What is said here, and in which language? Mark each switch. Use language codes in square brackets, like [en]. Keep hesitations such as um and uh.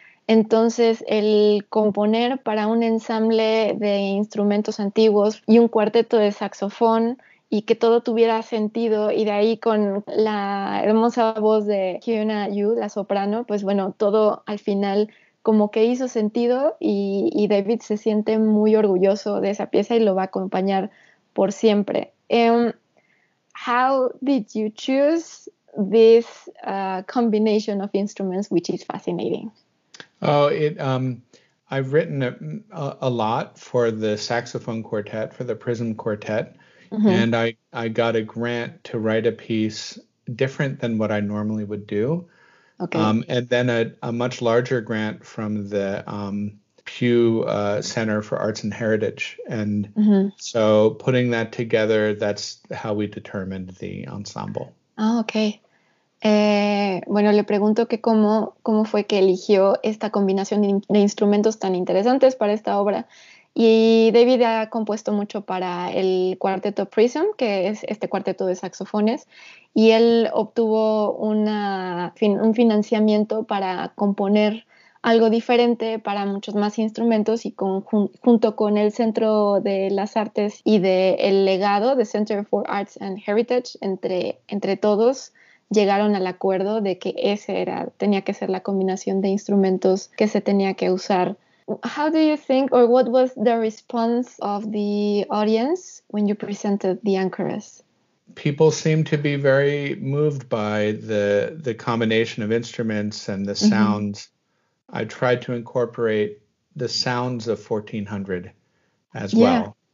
[es] Entonces, el componer para un ensamble de instrumentos antiguos y un cuarteto de saxofón y que todo tuviera sentido y de ahí con la hermosa voz de Kiona Yu, la soprano, pues bueno, todo al final como que hizo sentido y, y, David se siente muy orgulloso de esa pieza y lo va a acompañar por siempre. [en] Um, how did you choose this uh, combination of instruments, which is fascinating? Oh, it. Um, I've written a, a, lot for the saxophone quartet, for the Prism Quartet, mm -hmm. and I I got a grant to write a piece different than what I normally would do. Okay. Um, and then a, a much larger grant from the um, Pew uh, Center for Arts and Heritage. And mm -hmm. so putting that together, that's how we determined the ensemble. Oh, okay. [es] Eh, bueno, le pregunto que cómo, cómo, fue que eligió esta combinación de, in de, instrumentos tan interesantes para esta obra. Y David ha compuesto mucho para el cuarteto Prism, que es este cuarteto de saxofones, y él obtuvo una fin un financiamiento para componer algo diferente para muchos más instrumentos y con junto con el Centro de las Artes y del de legado de Center for Arts and Heritage, entre, entre todos. llegaron al acuerdo de que ese era tenía que ser la combinación de instrumentos que se tenía que usar. [en] How do you think or what was the response of the audience when you presented the anchoress? People seem to be very moved by the the combination of instruments and the sounds. Mm -hmm. I tried to incorporate the sounds of 1400 as yeah. well.